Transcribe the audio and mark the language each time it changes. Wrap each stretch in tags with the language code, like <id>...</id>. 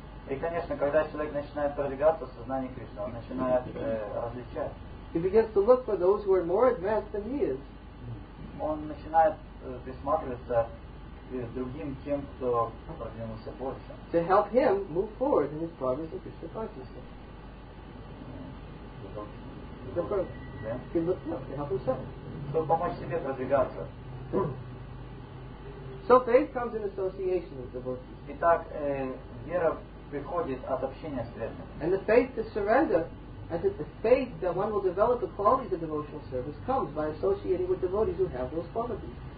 <ru>И, конечно, когда человек начинает продвигаться в сознании Кришны, он начинает различать.</ru> <en>He begins to look for those who are more advanced than he is.</en> <ru>Он начинает присматриваться к другим тем, кто продвинулся больше.</ru> <en>To help him move forward in his progress in Krishna consciousness. Yeah.</en> <ru>Чтобы помочь себе продвигаться.</ru> <en>So faith comes in association with devotees.</en> <ru>Итак, вера приходит от общения с преданными.</ru> <en>And the faith to surrender. And that the faith that one will develop the qualities of devotional service comes by associating with devotees who have those qualities.</en>